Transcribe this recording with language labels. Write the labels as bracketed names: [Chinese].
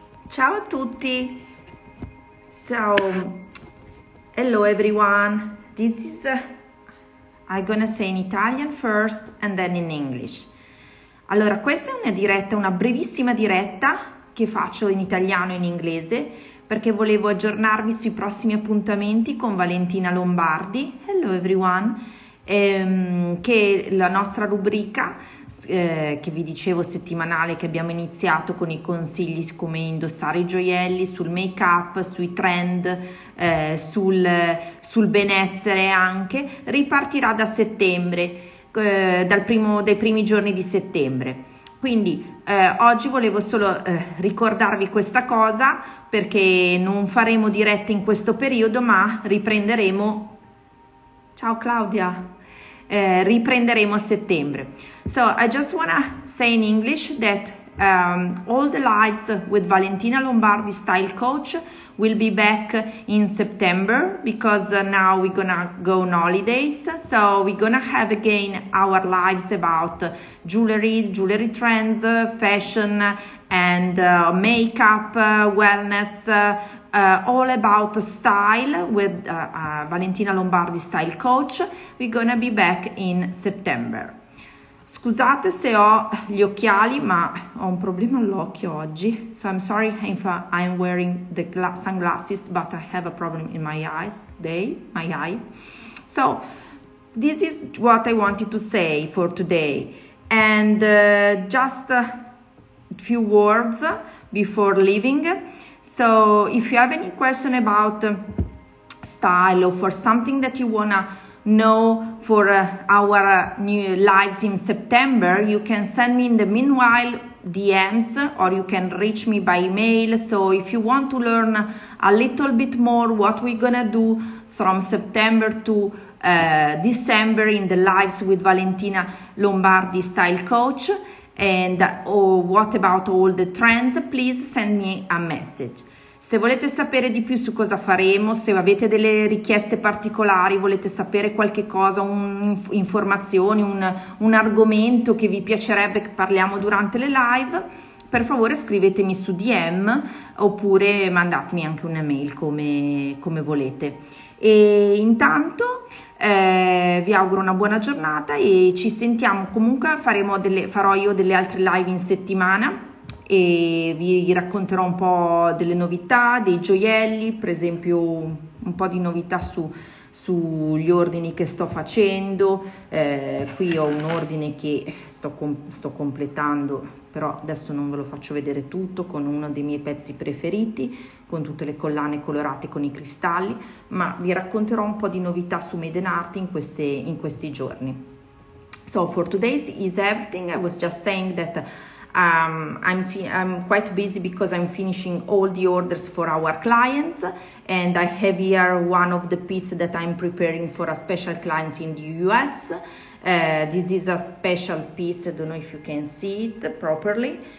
[Italian] Ciao a tutti. [English] So, hello everyone. This is... I'm gonna say in Italian first and then in English. [Italian] Allora, questa è una diretta, una brevissima diretta che faccio in italiano e in inglese perché volevo aggiornarvi sui prossimi appuntamenti con Valentina Lombardi. [English] Hello everyone! [Italian] Che la nostra rubrica che vi dicevo settimanale, che abbiamo iniziato con i consigli su come indossare i gioielli, sul make up, sui trend, sul benessere anche, ripartirà da settembre, dai primi giorni di settembre. Quindi oggi volevo solo ricordarvi questa cosa, perché non faremo dirette in questo periodo, ma riprenderemo. Ciao Claudia. Riprenderemo a settembre. [English] So I just wanna say in English that all the lives with Valentina Lombardi Style Coach will be back in September, because now we're gonna go on holidays. So we're gonna have again our lives about jewelry trends, fashion and makeup, wellness, all about style with Valentina Lombardi Style Coach. We're gonna be back in September. [Italian] Scusate se ho gli occhiali, ma ho un problema all'occhio oggi. [English] So I'm sorry if I'm wearing the sunglasses, but I have a problem in my eyes, my eye. So this is what I wanted to say for today. And just a few words before leaving. So if you have any question about style, or for something that you wanna know for our new lives in September, you can send me in the meanwhile DMs, or you can reach me by email. So if you want to learn a little bit more what we're gonna do from September to December in the lives with Valentina Lombardi Style Coach, and what about all the trends, please send me a message. [Italian] Se volete sapere di più su cosa faremo, se avete delle richieste particolari, volete sapere qualche cosa, un'informazione, un argomento che vi piacerebbe che parliamo durante le live, per favore scrivetemi su DM oppure mandatemi anche un'email come volete. E intanto vi auguro una buona giornata e ci sentiamo. Comunque farò io delle altre live in settimana, e vi racconterò un po' delle novità, dei gioielli, per esempio un po' di novità sugli ordini che sto facendo. Qui ho un ordine che sto completando, però adesso non ve lo faccio vedere tutto, con uno dei miei pezzi preferiti, con tutte le collane colorate con i cristalli, ma vi racconterò un po' di novità su Made in Art in questi giorni. [English] So for today is everything. I was just saying that I'm quite busy because I'm finishing all the orders for our clients, and I have here one of the pieces that I'm preparing for a special client in the US. This is a special piece, I don't know if you can see it properly.